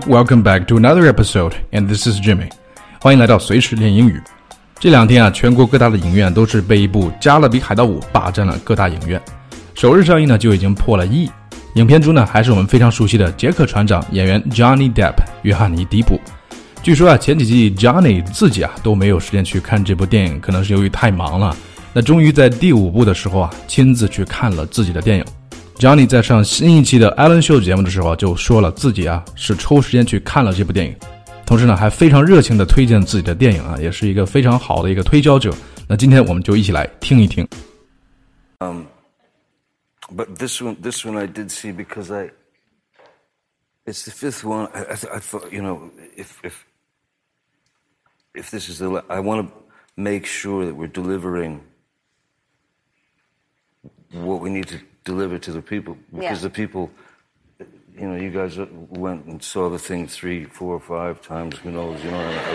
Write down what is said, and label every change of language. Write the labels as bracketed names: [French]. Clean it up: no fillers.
[English] Welcome back to another episode, and this is Jimmy. [Chinese] 欢迎来到随时练英语。这两天啊，全国各大的影院都是被一部《加勒比海盗5》霸占了各大影院。首日上映呢，就已经破了亿。影片中呢，还是我们非常熟悉的杰克船长演员 Johnny Depp 约翰尼·迪普。据说啊，前几季 Johnny 自己啊都没有时间去看这部电影，可能是由于太忙了。那终于在第五部的时候啊，亲自去看了自己的电影。 Johnny 在上新一期的 Ellen Show 节目的时候就说了自己啊是抽时间去看了这部电影，同时呢还非常热情的推荐自己的电影啊，也是一个非常好的一个推销者。那今天我们就一起来听一听。 [English] But this one I did see because it's the fifth one. I thought, you know, if this is the last, I want to make sure that we're delivering what we need to deliver to the people, because the people, you know, you guys went and saw the thing 3, 4, 5 times, who knows, you know.